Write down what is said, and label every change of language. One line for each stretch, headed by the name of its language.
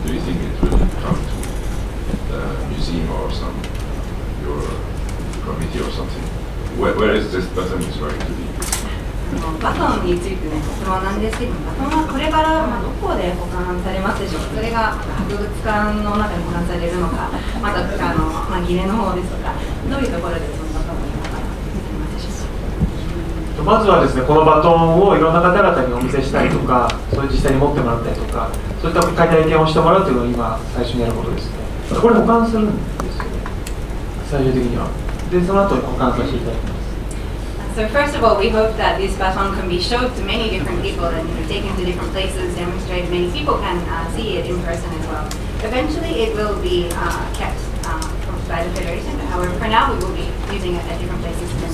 English: Do you think it would come to the museum or some, your committee or something? Where is this pattern is going to be?
Japanese: バトンについての質問なんですけど、バトンはこれからどこで保管されますでしょうか。それが博物館の中で保管されるのか、またあの、まあ、ギレの方ですとか、どういうところでそのバトンを保管されますでしょうか。まずはですね、このバトンをいろんな方々にお見せしたりとか、それ実際に持ってもらったりとか、そういった解体験をしてもらうというのを今最初にやることですね。これ保管するんですよね、最終的には。でその後保管させていただきます。
English: So first of all, we hope that this baton can be showed to many different people and taken to different places, demonstrated, many people can see it in person as well. Eventually, it will be kept by the Federation, but however, for now, we will be using it at different places.